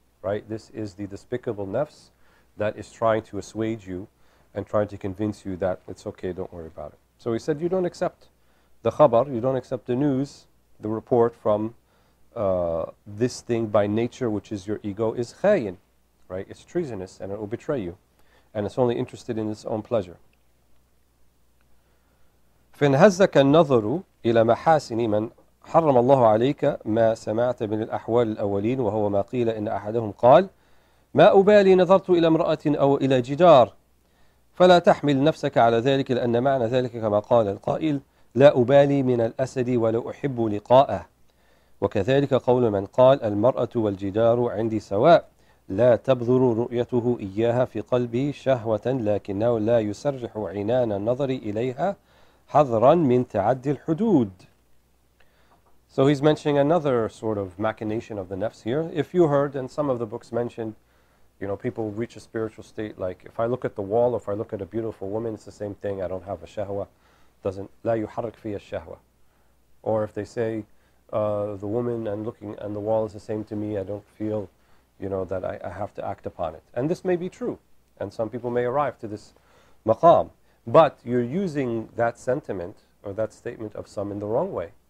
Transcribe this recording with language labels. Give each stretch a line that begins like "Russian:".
English: Right, this is the despicable nafs that is trying to assuage you and trying to convince you that it's okay, don't worry about it. So he said, you don't accept the khabar, you don't accept the news, the report from this thing by nature, which is your ego, is khayin, right? It's treasonous and it will betray you. And it's only interested in its own pleasure.
Arabic: فَانْهَزَّكَ النَّظَرُ إِلَى مَحَاسِنِ مَنْ حرم الله عليك ما سمعت من الأحوال الأولين وهو ما قيل إن أحدهم قال ما أبالي نظرت إلى امرأة أو إلى جدار فلا تحمل نفسك على ذلك لأن معنى ذلك كما قال القائل لا أبالي من الأسد ولا أحب لقاءه وكذلك قول من قال المرأة والجدار عندي سواء لا تبذر رؤيته إياها في قلبي شهوة لكنه لا يسرح عنان النظر إليها حذرا من تعدي الحدود.
English: So he's mentioning another sort of machination of the nafs here. If you heard, and some of the books mentioned, you know, people reach a spiritual state like, if I look at the wall, if I look at a beautiful woman, it's the same thing, I don't have a shahwa. Doesn't,
Arabic: لا يحرك في الشهوة.
English: Or if they say, the woman and looking and the wall is the same to me, I don't feel, you know, that I have to act upon it. And this may be true, and some people may arrive to this maqam. But you're using that sentiment or that statement of some in the wrong way.